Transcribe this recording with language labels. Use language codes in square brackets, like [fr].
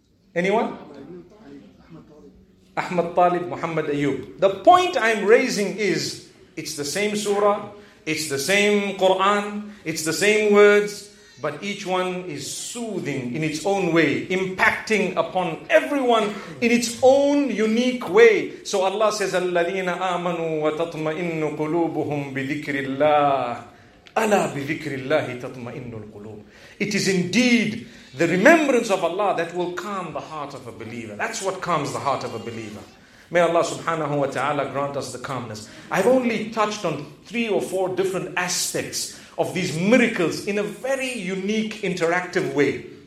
[en] Anyone? Ahmad Talib, Muhammad Ayyub. The point I'm raising is, it's the same surah, it's the same Quran, it's the same words, but each one is soothing in its own way, impacting upon everyone in its own unique way. [ar] So Allah says, الَّذِينَ آمَنُوا وَتَطْمَئِنُّ قُلُوبُهُمْ بِذِكْرِ اللَّهِ أَلَا بِذِكْرِ اللَّهِ تَطْمَئِنُّ الْقُلُوبُ. [en] It is indeed the remembrance of Allah that will calm the heart of a believer. That's what calms the heart of a believer. May Allah subhanahu wa ta'ala grant us the calmness. I've only touched on three or four different aspects of these miracles in a very unique, interactive way.